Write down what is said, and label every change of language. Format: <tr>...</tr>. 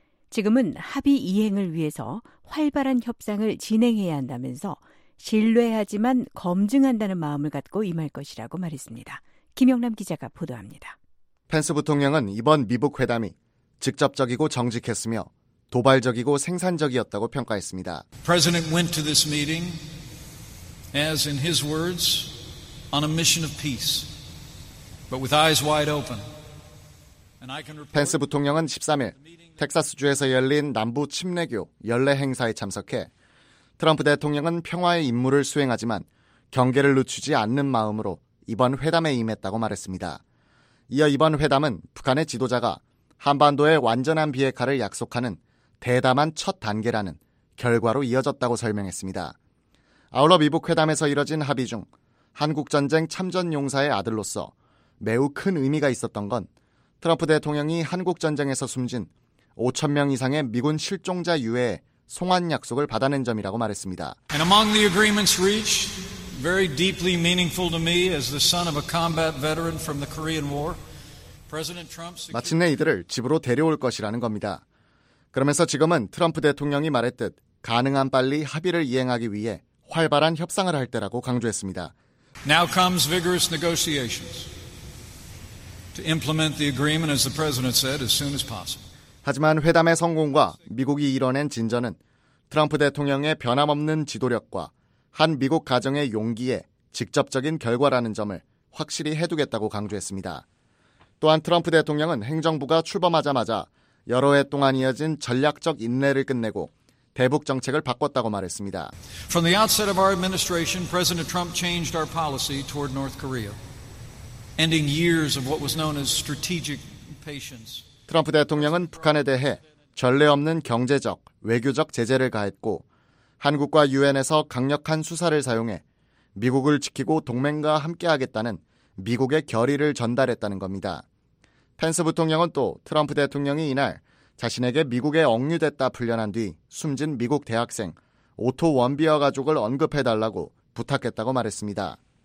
<ko>지금은 합의 이행을 위해서 활발한 협상을 진행해야 한다면서 신뢰하지만 검증한다는 마음을 갖고 임할 것이라고 말했습니다. 김영남 기자가 보도합니다. 펜스 부통령은 이번 미북 회담이 직접적이고 정직했으며 도발적이고 생산적이었다고 평가했습니다.</ko> <en>President went to this meeting. As in his words, on a mission of peace, but with eyes wide open. And I can report.</en> <ko>펜스 부통령은 13일 텍사스주에서 열린 남부 침례교 연례 행사에 참석해 트럼프 대통령은 평화의 임무를 수행하지만 경계를 늦추지 않는 마음으로 이번 회담에 임했다고 말했습니다. 이어 이번 회담은 북한의 지도자가 한반도의 완전한 비핵화를 약속하는 대담한 첫 단계라는 결과로 이어졌다고 설명했습니다. 아울러 미북 회담에서 이뤄진 합의 중 한국전쟁 참전용사의 아들로서 매우 큰 의미가 있었던 건 트럼프 대통령이 한국전쟁에서 숨진 5천 명 이상의 미군 실종자 유해 송환 약속을 받아낸 점이라고 말했습니다.</ko> <en>And among the agreements reached, very deeply meaningful to me as the son of a combat veteran from the Korean War, President Trump secured...</en> <ko>마침내 이들을 집으로 데려올 것이라는 겁니다. 그러면서 지금은 트럼프 대통령이 말했듯 가능한 빨리 합의를 이행하기 위해 활발한 협상을 할 때라고 강조했습니다.</ko> <en>Now comes vigorous negotiations to implement the agreement as the president said as soon as possible.</en> <ko>하지만 회담의 성공과 미국이 이뤄낸 진전은 트럼프 대통령의 변함없는 지도력과 한 미국 가정의 용기에 직접적인 결과라는 점을 확실히 해두겠다고 강조했습니다. 또한 트럼프 대통령은 행정부가 출범하자마자 여러 해 동안 이어진 전략적 인내를 끝내고 대북 정책을 바꿨다고 말했습니다.</ko> <en>From the outset of our administration, President Trump changed our policy toward North Korea, ending years of what was known as strategic patience.</en> <ko>트럼프 대통령은 북한에 대해 전례 없는 경제적, 외교적 제재를 가했고 한국과 유엔에서 강력한 수사를 사용해 미국을 지키고 동맹과 함께하겠다는 미국의 결의를 전달했다는 겁니다. 펜스 부통령은 또 트럼프 대통령이 이날 자신에게 미국에 억류됐다 풀려난 뒤 숨진 미국 대학생 오토 원비어 가족을 언급해달라고 부탁했다고 말했습니다.</ko>